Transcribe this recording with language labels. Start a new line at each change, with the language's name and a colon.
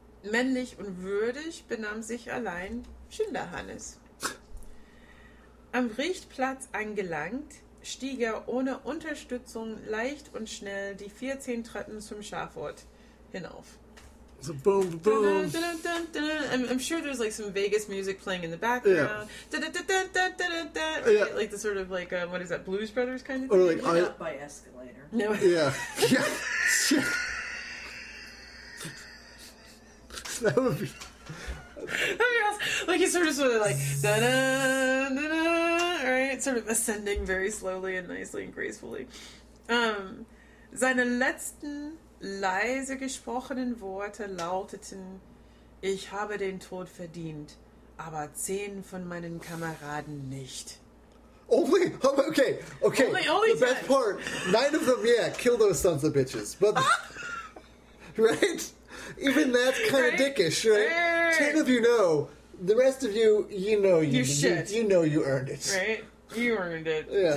German: Männlich und würdig benahm sich allein Schinderhannes. Am Richtplatz angelangt, stieg er ohne Unterstützung leicht und schnell die 14 Treppen zum Schafort hinauf.
English: So boom, boom. I'm sure there's like some Vegas music playing in the background. Yeah. Like the sort of like, what is that, Blues Brothers kind of or thing? Like, not by escalator. No. Yeah. Yeah. That would be awesome. Like he's sort of like, da da da da, right? Sort of ascending very slowly and nicely and gracefully.
German: Seine letzten leise gesprochenen Worte lauteten, ich habe den Tod verdient, aber 10 von meinen Kameraden nicht.
English: Only, okay, okay. Only the best part, 9 of them, yeah, kill those sons of bitches. But, right? Even that's kind of dickish, right? 10 of you know, the rest of you, you know you earned it. Right? You earned it. Yeah.